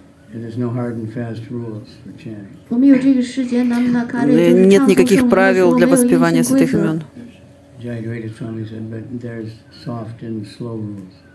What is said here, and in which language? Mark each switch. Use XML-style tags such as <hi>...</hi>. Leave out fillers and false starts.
<en>There's no hard and fast rules for chanting. We have this world.</en> <ru>Нет никаких правил для воспевания святых имен.</ru> <en>Jai Dwaita Swami said, but there's soft and slow rules.</en>